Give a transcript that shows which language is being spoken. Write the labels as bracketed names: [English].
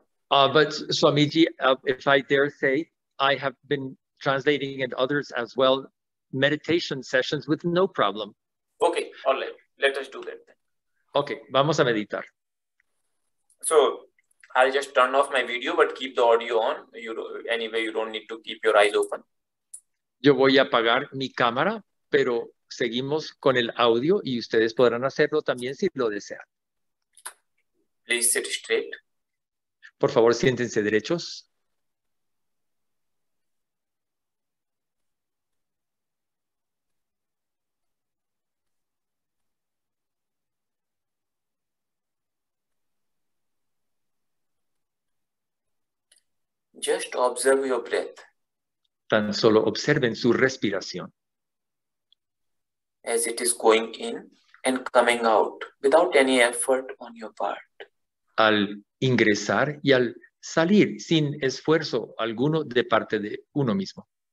[English] But Swamiji, if I dare say, I have been translating and others as well, meditation sessions with no problem. Okay, all right. Let us do that then. Okay, [Spanish] vamos a meditar. [English] So I'll just turn off my video, but keep the audio on. Anyway, you don't need to keep your eyes open. [Spanish] Yo voy a apagar mi cámara, pero seguimos con el audio y ustedes podrán hacerlo también si lo desean. [English] Please sit straight. [Spanish] Por favor, siéntense derechos. [English] Just observe your breath. [Spanish] Tan solo observen su respiración. [English] As it is going in and coming out without any effort on your part. [Spanish] Al ingresar y al salir sin esfuerzo alguno de parte de uno mismo.